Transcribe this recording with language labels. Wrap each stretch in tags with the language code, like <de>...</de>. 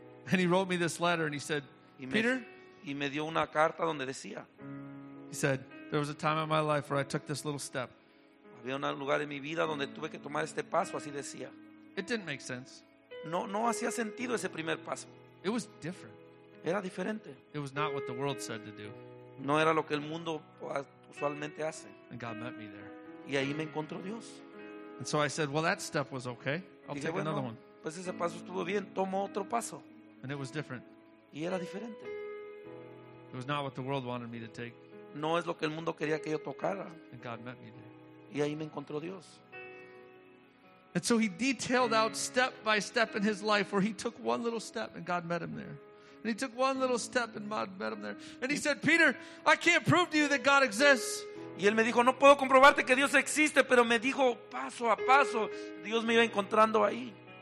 <en>And he wrote me this letter and he said, Peter,</en> <es>y me dio una carta donde decía,</es> <en>he said, there was a time in my life where I took this little step.</en> <es>Había un lugar en mi vida donde tuve que tomar este paso, así decía.</es> <en>It didn't make sense.</en> <es>No hacía sentido ese primer paso.</es> <en>It was different.</en> <es>Era diferente.</es> <en>It was not what the world said to do.</en> <es>No era lo que el mundo usualmente hace.</es> <en>And God met me there.</en> <es>Y ahí me encontró Dios.</es> <en>And so I said, well, that step was okay. I'll take another one.</en> <es>Pues ese paso estuvo bien. Tomo otro paso.</es> <en>And it was different.</en> <es>Y era diferente.</es> <en>It was not what the world wanted me to take.</en> <es>No es lo que el mundo quería que yo tocara.</es> <en>And God met me there.</en> <es>Y ahí me encontró Dios.</es> <en>And so he detailed out step by step in his life where he took one little step and God met him there. And he took one little step and God met him there. And he said, Peter, I can't prove to you that God exists.</en> <es>Y él me dijo, no puedo comprobarte que Dios existe, pero me dijo paso a paso, Dios me iba encontrando ahí.</es>